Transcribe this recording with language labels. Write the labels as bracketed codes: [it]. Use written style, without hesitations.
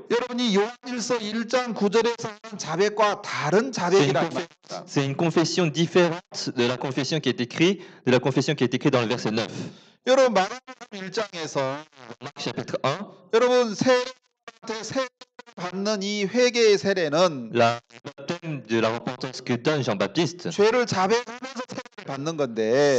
[ko] 여러분이 요한일서 1장 9절에서 한 자백과 다른 자백이라 [fr] C'est une confession différente de la confession qui est écrite dans le verset 9. [ko] 여러분 마가복음 1장에서 [fr] Marc chapitre 1. [ko] 여러분 세례한테 세례 받는 이 회개의 세례는 [fr] la baptême de la repentance que donne Jean-Baptiste. [ko] 죄를 자백하면서 세례를 받는 건데.